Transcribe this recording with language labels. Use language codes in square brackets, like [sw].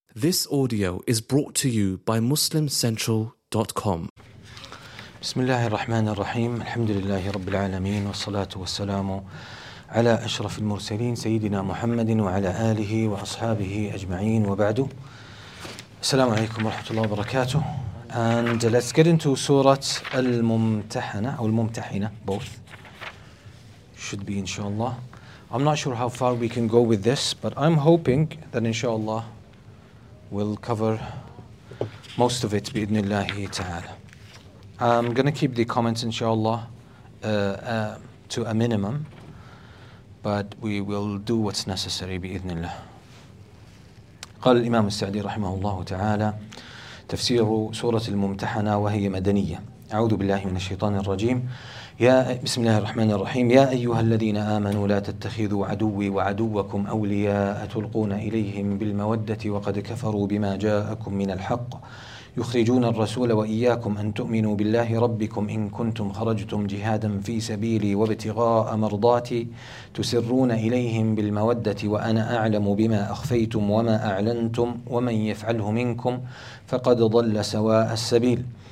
[en] This audio is brought to you by MuslimCentral.com. [ar] بسم الله الرحمن الرحيم الحمد لله رب العالمين والصلاة والسلام على أشرف المرسلين سيدنا محمد وعلى آله وأصحابه أجمعين وبعد السلام عليكم ورحمة الله وبركاته. [en] And let's get into سورة الممتحنة أو الممتحنة both should be inshallah. I'm not sure how far we can go with this, but I'm hoping that inshallah we'll cover most of it [ar] بإذن الله تعالى. [en] I'm going to keep the comments inshallah to a minimum, but we will do what's necessary [ar] بإذن الله. قال الإمام السعدي رحمه الله تعالى تفسير سورة الممتحنة وهي مدنية. أعوذ بالله من الشيطان الرجيم. يا بسم الله الرحمن الرحيم. يا أيها الذين آمنوا لا تتخذوا عدوي وعدوكم أولياء تلقون إليهم بالمودة وقد كفروا بما جاءكم من الحق يخرجون الرسول وإياكم أن تؤمنوا بالله ربكم إن كنتم خرجتم جهادا في سبيلي وابتغاء مرضاتي تسرون إليهم بالمودة وأنا أعلم بما أخفيتم وما أعلنتم ومن يفعله منكم فقد ضل سواء السبيل